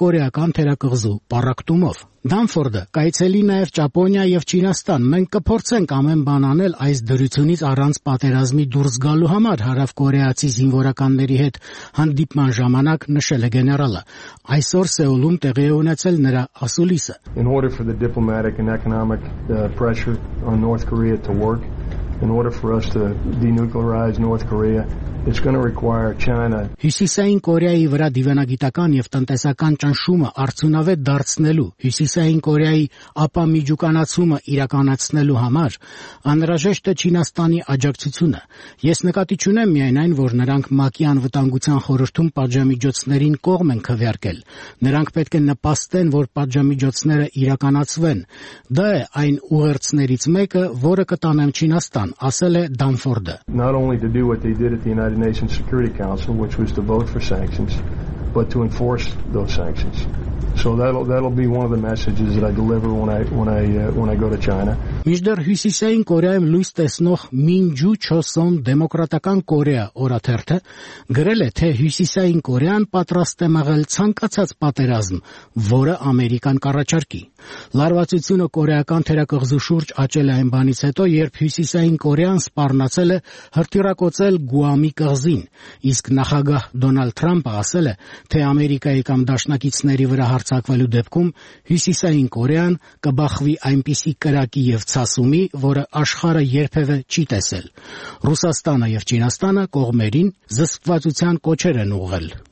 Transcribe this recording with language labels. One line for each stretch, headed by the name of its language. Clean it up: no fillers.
Armenian: կորեական թերակղզու պարակտումով։ Դանֆորդը կայցելի նաև Ճապոնիա և Չինաստան։ Մենք կփորձենք ամեն բան անել այս դրությունից առանց պատերազմի դուրս գալու համար, հարավկորեացի զինվորականների հետ հանդիպման ժամանակ նշել է գեներալը։ Այսօր Սեուլում տեղի է ունեցել նրա ասուլիսը։
English: In order for the diplomatic and economic pressure on North Korea to work, in order for us to denuclearize North Korea, it's going to require China.
Armenian: Հյուսիսային Կորեայի վրա դիվանագիտական եւ տնտեսական ճնշումը արդյունավետ դարձնելու, Հյուսիսային Կորեայի ապամիջականացումը իրականացնելու համար անհրաժեշտ է Չինաստանի աջակցությունը։ Ես նկատի ունեմ միայն այն, որ նրանք ՄԱԿ-ի անվտանգության խորհրդում պատժամիջոցներին կողմ են քվեարկել։ Նրանք պետք է նպաստեն, որ պատժամիջոցները իրականացվեն։ Դա է այն ուղերձներից մեկը, որը կտանեմ Չինաստան, ասել է Դանֆորդը։
English: Not only to do what they did at the United Nations Security Council, which was to vote for sanctions, but to enforce those sanctions. So that'll be one of the messages that I deliver when I go to China.
Armenian: Միջդեր Հյուսիսային Կորեայում լույս տեսնող Մինջու Չոսոն դեմոկրատական Կորեա օրաթերթը գրել է, թե Հյուսիսային Կորեան պատրաստ է մղել ցանկացած պատերազմ, որը Ամերիկան կառաջարկի։ Լարվածությունը կորեական թերակղզու շուրջ աճել է այն բանից հետո, երբ Հյուսիսային Կորեան սպառնացել է հրթիռակոծել Գուամի կղզին, իսկ նախագահ Դոնալդ Թրամփը ասել է, թե Ամերիկայի կամ դաշնակիցների վրա հարցակվելու դեպքում Հյուսիսային Կորեան կբախվի այնպիսի կրակի եւ ցասումի, որը աշխարհը երբեւե չի տեսել։ Ռուսաստանը եւ Չինաստանը կողմերին զսպվածության կոչեր են ուղղել։